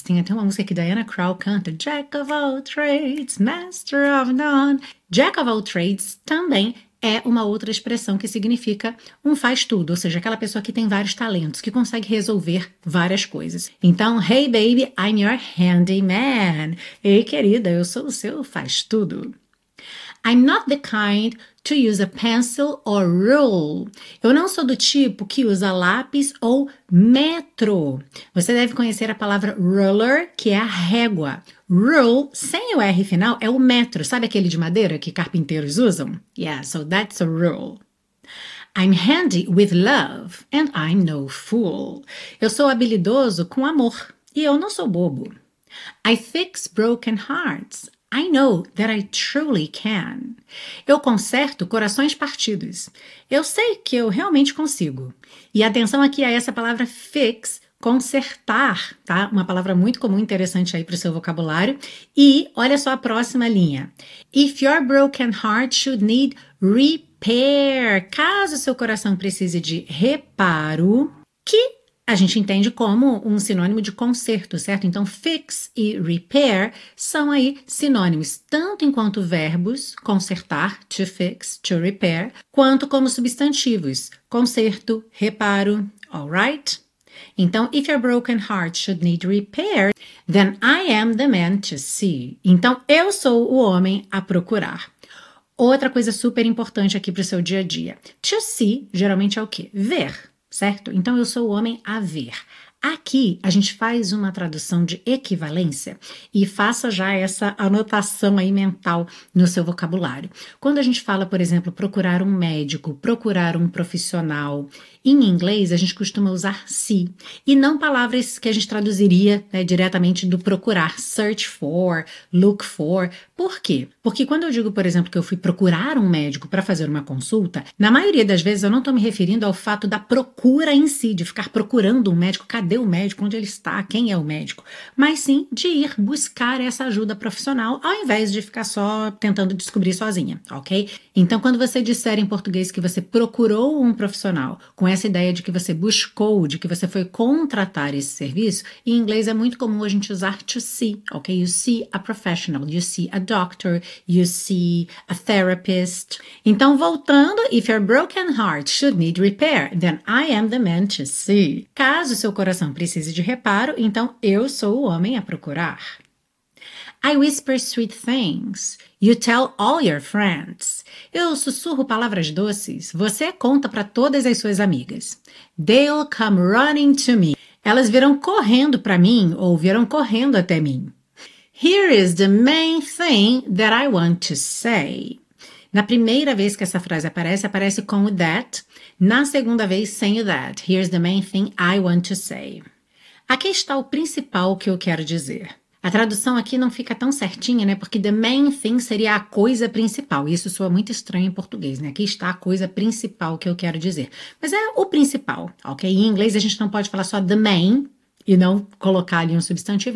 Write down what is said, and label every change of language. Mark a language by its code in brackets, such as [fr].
[pt] Tem até uma música que Diana Krall canta: Jack of All Trades, Master of None. Jack of All Trades também é uma outra expressão que significa um faz-tudo, ou seja, aquela pessoa que tem vários talentos, que consegue resolver várias coisas. Então, [en] hey baby, I'm your handyman. [pt] Ei, querida, eu sou o seu faz-tudo. [en] I'm not the kind to use a pencil or rule. [pt] Eu não sou do tipo que usa lápis ou metro. Você deve conhecer a palavra ruler, que é a régua. Rule, sem o R final, é o metro. Sabe aquele de madeira que carpinteiros usam? [en] Yeah, so that's a rule. I'm handy with love and I'm no fool. [pt] Eu sou habilidoso com amor e eu não sou bobo. [en] I fix broken hearts. I know that I truly can. [pt] Eu conserto corações partidos. Eu sei que eu realmente consigo. E atenção aqui a essa palavra fix, consertar, tá? Uma palavra muito comum, interessante aí para o seu vocabulário. E olha só a próxima linha. [en] If your broken heart should need repair. [pt] Caso seu coração precise de reparo, que a gente entende como um sinônimo de conserto, certo? Então, fix e repair são aí sinônimos, tanto enquanto verbos, consertar, to fix, to repair, quanto como substantivos, conserto, reparo, all right? [en] Então, if your broken heart should need repair, then I am the man to see. [pt] Então, eu sou o homem a procurar. Outra coisa super importante aqui para o seu dia a dia. To see geralmente é o quê? Ver. Certo? Então eu sou o homem a ver. Aqui a gente faz uma tradução de equivalência e faça já essa anotação aí mental no seu vocabulário. Quando a gente fala, por exemplo, procurar um médico, procurar um profissional, em inglês a gente costuma usar see e não palavras que a gente traduziria, né, diretamente do procurar, search for, look for. Por quê? Porque quando eu digo, por exemplo, que eu fui procurar um médico para fazer uma consulta, na maioria das vezes eu não estou me referindo ao fato da procura em si, de ficar procurando um médico, cadê o médico, onde ele está, quem é o médico, mas sim de ir buscar essa ajuda profissional ao invés de ficar só tentando descobrir sozinha, ok? Então, quando você disser em português que você procurou um profissional com essa ideia de que você buscou, de que você foi contratar esse serviço, em inglês é muito comum a gente usar to see, ok? [en] You see a professional, you see a doctor, you see a therapist. Então, voltando, if your broken heart should need repair, then I am the man to see. [pt] Caso seu coração precise de reparo, então eu sou o homem a procurar. [en] I whisper sweet things. You tell all your friends. [pt] Eu sussurro palavras doces. Você conta para todas as suas amigas. [en] They'll come running to me. [pt] Elas virão correndo para mim ou virão correndo até mim. [en] Here is the main thing that I want to say. [pt] Na primeira vez que essa frase aparece, aparece com o that. Na segunda vez, sem o that. [en] Here's the main thing I want to say. [pt] Aqui está o principal que eu quero dizer. A tradução aqui não fica tão certinha, né? Porque the main thing seria a coisa principal. Isso soa muito estranho em português, né? Aqui está a coisa principal que eu quero dizer. Mas é o principal, ok? Em inglês a gente não pode falar só the main e não colocar ali um substantivo.